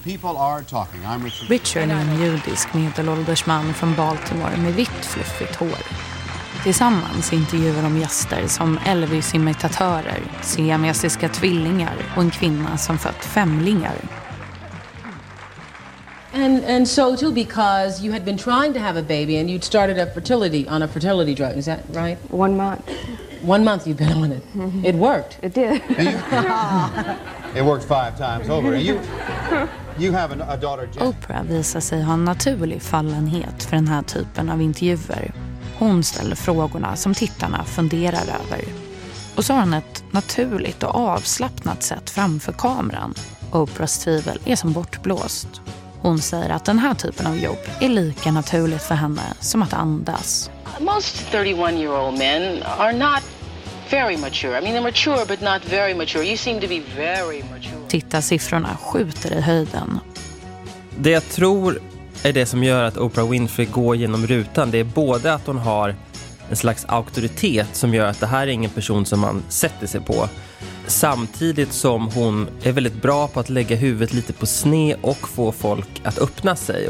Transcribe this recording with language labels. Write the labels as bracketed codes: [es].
[en] To People Are Talking. I'm Richard. [sv] Richard är en judisk medelålders man från Baltimore med vitt fluffigt hår. Tillsammans intervjuar de gäster som Elvis-imitatörer, siamesiska tvillingar och en kvinna som fött femlingar. [en] And so too, because you had been trying to have a baby and you'd started a fertility drug, is that right? 1 month. 1 month you've been on it. It worked. It did. It worked 5 times over. You have a daughter, Jen. [sv] Oprah visar sig ha en naturlig fallenhet för den här typen av intervjuer. Hon ställer frågorna som tittarna funderar över. Och så har hon ett naturligt och avslappnat sätt framför kameran. Oprahs tvivel är som bortblåst. Hon säger att den här typen av jobb är lika naturligt för henne som att andas. [en] Most 31-year-old men are not very mature. I mean, they're mature but not very mature. You seem to be very mature. [sv] Titta, siffrorna skjuter i höjden. Det jag tror är det som gör att Oprah Winfrey går genom rutan. Det är både att hon har en slags auktoritet som gör att det här är ingen person som man sätter sig på. Samtidigt som hon är väldigt bra på att lägga huvudet lite på sne och få folk att öppna sig.